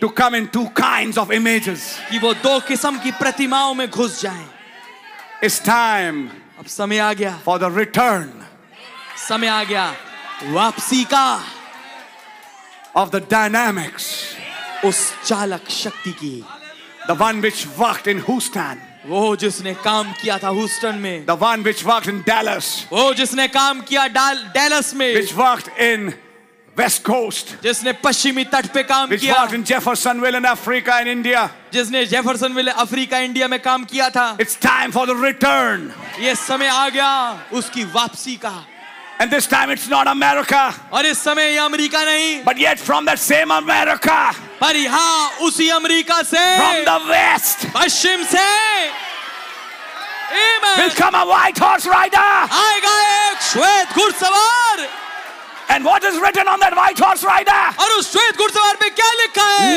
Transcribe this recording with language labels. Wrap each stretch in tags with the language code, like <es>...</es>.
<en>to come in two kinds of images,</en> <hi>कि वो दो किस्म की प्रतिमाओं में घुस जाएं.</hi> <en>It's time.</en> <hi>अब समय आ गया</hi> <en>for the return.</en> <hi>समय आ गया वापसी का</hi> <en>of the dynamics,</en> <hi>उस चालक शक्ति की,</hi> <en>the one which worked in Houston.</en> <hi>वो जिसने काम किया था ह्यूस्टन में,</hi> <en>the one which worked in Dallas.</en> <hi>वो जिसने काम किया डेलस में,</hi> <en>which worked in West Coast,</en> <hi>जिसने पश्चिमी तट पे काम किया,</hi> <en>which worked in Jeffersonville in Africa and India,</en> <hi>जिसने जेफरसनविले अफ्रीका इंडिया में काम किया था.</hi> <en>It's time for the return.</en> <hi>ये समय आ गया उसकी वापसी का.</hi> <en>And this time it's not America.</en> <hi>और इस समय ये अमेरिका नहीं.</hi> <en>But yet from that same America.</en> <hi>पर यहाँ उसी अमेरिका से.</hi> <en>From the west.</en> <hi>पश्चिम से. Amen.</hi> <en>Will come a white horse rider.</en> <hi>आएगा एक श्वेत घुड़सवार.</hi> <en>And what is written on that white horse rider?</en> <hi>और उस श्वेत घुड़सवार पे क्या लिखा है?</hi>